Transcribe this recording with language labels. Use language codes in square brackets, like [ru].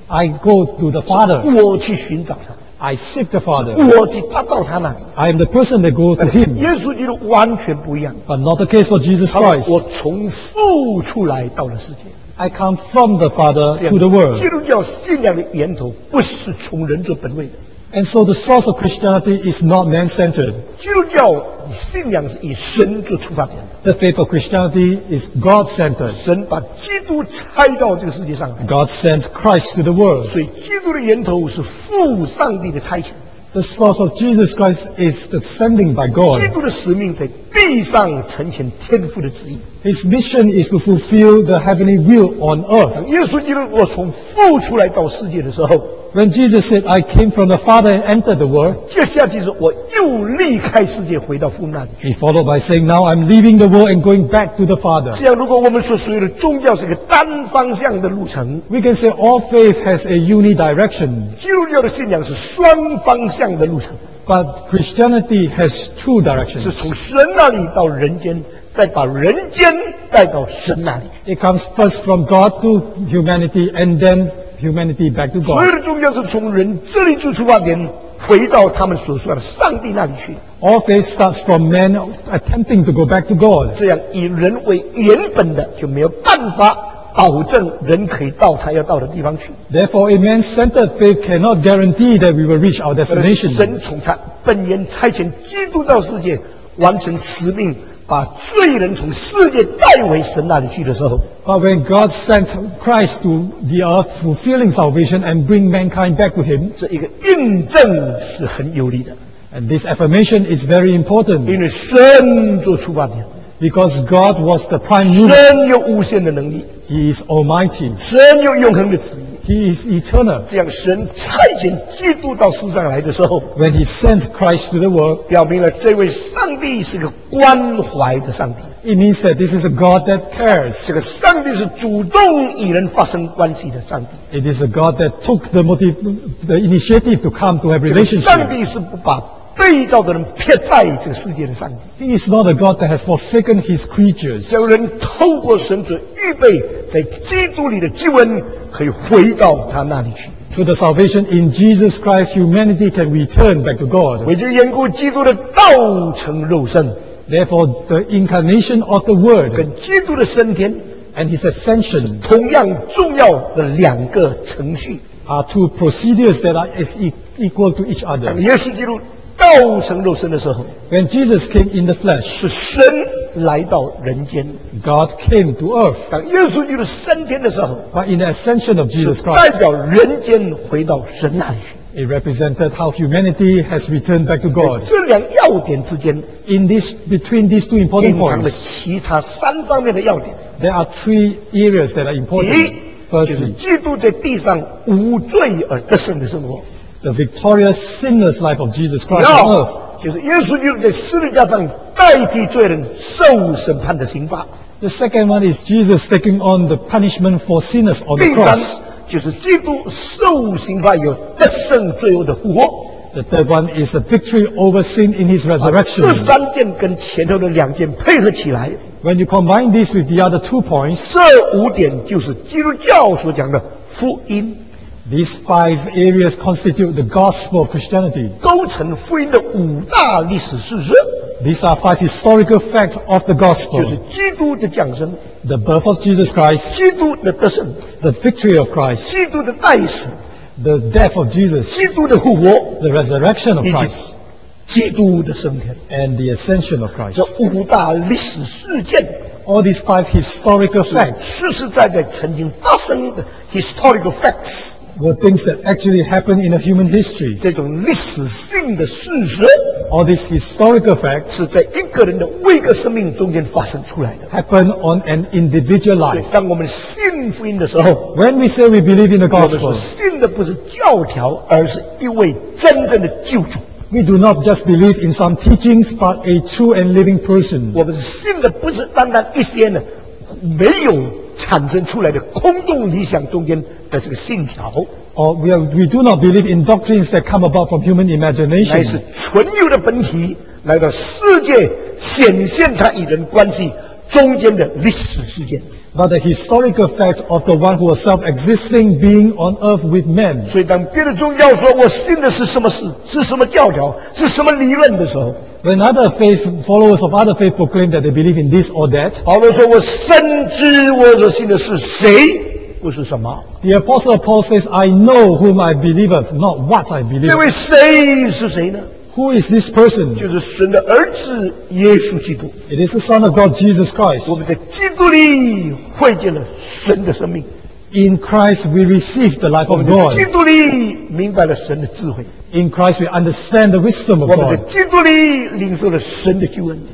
[en] I go to the Father. [zh] 我去寻找他。 [en] I seek the Father. [zh] 我去达到他那里。 [en] I am the person that goes to Him. [zh] 耶稣基督完全不一样。 [en] But not the case for Jesus Christ. [zh] 我从父出来到了世界。 [en] I come from the Father to the world. [zh] 基督教信仰的源头不是从人做本位的。 [en] And so the source of Christianity is not man-centered. [zh] 基督教信仰是以神做出发点。 [en] The faith of Christianity is God-centered. [zh] 神把基督差到这个世界上来。 [en] God sends Christ to the world. [zh] 所以基督的源头是父上帝的差遣。 [en] The source of Jesus Christ is the sending by God. [zh] 基督的使命在地上成全天父的旨意。 [en] His mission is to fulfill the heavenly will on earth. [zh] 耶稣基督我从父出来到世界的时候。 [en] When Jesus said, I came from the Father and entered the world, [zh] 接下来就是我又离开世界回到父那里去。 [en] He followed by saying, now I'm leaving the world and going back to the Father. [zh] 这样如果我们说所有的宗教是个单方向的路程， [en] We can say all faith has a unidirection. [zh] 基督教的信仰是双方向的路程。 [en] But Christianity has two directions. [zh] 是从神那里到人间，再把人间带到神那里。 [en] It comes first from God to humanity and then humanity back to God. [zh] 所有的宗教是从人这里做出发点，回到他们所说的上帝那里去。 [en] All faith starts from man attempting to go back to God. [zh] 这样以人为原本的，就没有办法保证人可以到他要到的地方去。 [en] Therefore, a man-centered faith cannot guarantee that we will reach our destination. [zh] 神从他本源差遣基督到世界，完成使命。把罪人从世界带回神那里去的时候 [en] But when God sent Christ to the earth fulfilling salvation and bring mankind back to him [zh] 这一个印证是很有力的 [en] And this affirmation is very important [zh] 因为神做出发点 [en] Because God was the prime mover [zh] 神有无限的能力 [en] He is almighty [zh] 神有永恒的旨意 [en] He is eternal [zh] 这样神差遣基督到世上来的时候 [en] When he sent Christ to the world [zh] 表明了这位上帝是个关怀的上帝 [en] It means that this is a God that cares. [zh] 这个上帝是主动与人发生关系的上帝。 [en] It is a God that took the initiative to come to have relationship. [zh] 上帝是不把被造的人撇在这个世界的上帝。 [en] He is not a God that has forsaken his creatures. [zh] 叫人透过神所预备在基督里的救恩，可以回到他那里去。 [en] To the salvation in Jesus Christ, humanity can return back to God. [zh] 为这缘故，基督的道成肉身。 [en] Therefore, the incarnation of the Word [zh] 跟基督的升天 [en] and His ascension [zh] 是同样重要的两个程序 [en] are two procedures that are equal to each other. [zh] 耶稣基督道成肉身的时候 [en] when Jesus came in the flesh [zh] 是神来到人间 [en] God came to earth. [zh] 当耶稣基督升天的时候 [en] but in the ascension of Jesus Christ [zh] 是代表人间回到神那里去。 [en] It represented how humanity has returned back to God. [zh] 这两要点之间 [en] in this, between these two important points, [zh] 隐藏了其他三方面的要点。 [en] There are three areas that are important. [zh] 第一 [en] Firstly, [zh] 就是基督在地上无罪而得胜的生活。 [en] The victorious sinless life of Jesus Christ on earth. [zh] 就是耶稣基督在十字架上代替罪人受审判的刑罚。 [en] The second one is Jesus taking on the punishment for sinners on the cross. [zh] 就是基督受刑罚有得胜罪恶的复活。 [en] The third one is the victory over sin in his resurrection. [zh] 这三件跟前头的两件配合起来。 [en] When you combine this with the other two points, [zh] 这五点就是基督教所讲的福音。 [en] These five areas constitute the gospel of Christianity. [zh] 构成福音的五大历史事实。 [en] These are five historical facts of the gospel. [zh] 就是基督的降生。 [en] The birth of Jesus Christ. [zh] 基督的得胜。 [en] The victory of Christ. [zh] 基督的代死。 [en] The death of Jesus. [zh] 基督的复活。 [en] The resurrection of Christ. [zh] 基督的升天。 [en] And the ascension of Christ. [zh] 这五大历史事件。 [en] All these five historical facts. [zh] 实实在在曾经发生的 [en] historical facts. Were things that actually happened in a human history. [zh] 这种历史性的事实。 [en] All these historical facts [zh] 是在一个人的每个生命中间发生出来的。 [en] Happen on an individual life. [zh] 所以当我们信福音的时候 [en] ，When we say we believe in the gospel， [zh] 我们说信的不是教条，而是一位真正的救主。 [en] We do not just believe in some teachings, but a true and living person. [zh] 我们信的不是单单一些呢，没有产生出来的空洞理想中间的这个信条。 [en] Or we do not believe in doctrines that come about from human imagination. [zh] 乃是存有的本体来到世界显现他与人关系中间的历史事件。 [en] But the historical facts of the one who was self-existing being on earth with men. [zh] 所以当别的宗教说我信的是什么事，是什么教条，是什么理论的时候。 [en] When other faith followers of other faith proclaim that they believe in this or that. [zh] 保罗说我深知我所信的是谁。不是什么。 [en] The Apostle Paul says, I know whom I believe, not what I believe. [zh] 这位谁是谁呢？ [en] Who is this person? [zh] 就是神的儿子耶稣基督。 [en] It is the Son of God, Jesus Christ. [zh] 我们在基督里会见了神的生命。 [en] In Christ, we receive the life of God. [zh] 我们在基督里明白了神的智慧。 [en] In Christ, we understand the wisdom of God. [zh] 我们在基督里领受了神的救恩。